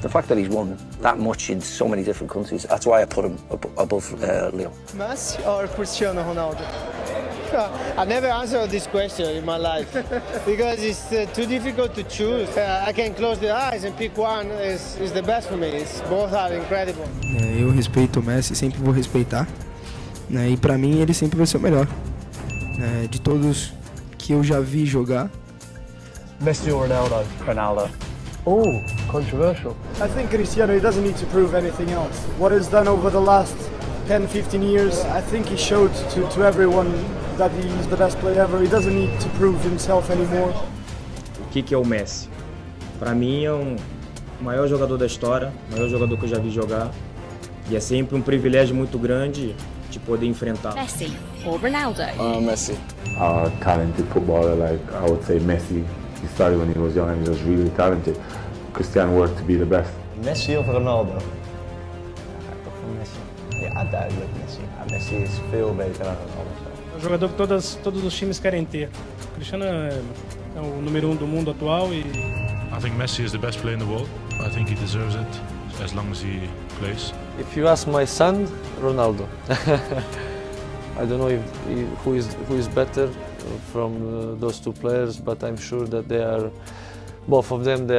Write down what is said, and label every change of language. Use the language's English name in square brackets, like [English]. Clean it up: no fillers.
[English] The fact that he's won that much in so many different countries, that's why I put him above Leo. Messi or Cristiano Ronaldo? I never answered this question in my life because it's too difficult to choose. I can close the eyes and pick one is the best for me. It's, both are incredible. [Portuguese] Eu respeito Messi, sempre vou respeitar. Né, e para mim ele sempre vai ser o melhor, né, de todos que eu já vi jogar. Messi ou Ronaldo? Ronaldo. [English] Oh, controversial. I think Cristiano, he doesn't need to prove anything else. What he's done over the last 10, 15 years, I think he showed to everyone that he's the best player ever. He doesn't need to prove himself anymore. [Portuguese] O que é o Messi? Para mim é o maior jogador da história, o maior jogador que eu já vi jogar. E é sempre um privilégio muito grande de poder enfrentar. Messi ou Ronaldo? Messi. [English] A talented footballer, like I would say Messi. He started when he was young and he was really talented. Cristiano worked to be the best. [Portuguese] Messi ou Ronaldo? [English] Messi. Yeah, I Messi. Messi is way better than Ronaldo. [Portuguese] É um jogador que todos os times querem ter. O Cristiano é o número um do mundo atual e... [English] I think Messi is the best player in the world. I think he deserves it as long as he plays. If you ask my son, Ronaldo. I don't know who is better from those two players, but I'm sure that they are both of them.